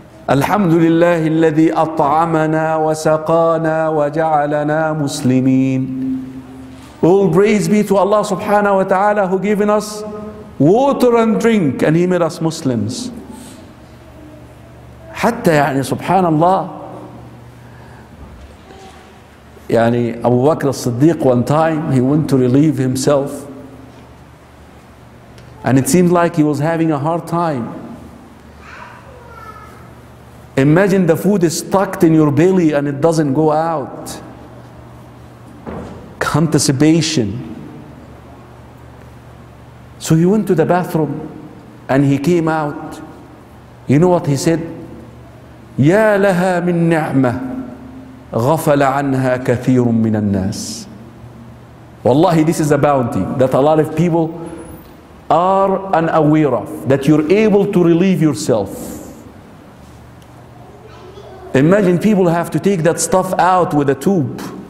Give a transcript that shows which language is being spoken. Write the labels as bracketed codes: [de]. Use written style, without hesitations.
[ar] الحمد لله الذي أطعمنا وسقانا وجعلنا مسلمين. [en] All praise be to Allah subhanahu wa ta'ala who given us water and drink and he made us Muslims. حتى يعني سبحان الله, يعني أبو بكر الصديق, one time he went to relieve himself and it seemed like he was having a hard time. Imagine the food is stuck in your belly and it doesn't go out. Constipation. So he went to the bathroom and he came out. You know what he said? [ar] يا لها من نعمة غفل عنها كثير من الناس. [en] والله, this is a bounty that a lot of people are unaware of, that you're able to relieve yourself. Imagine people have to take that stuff out with a tube.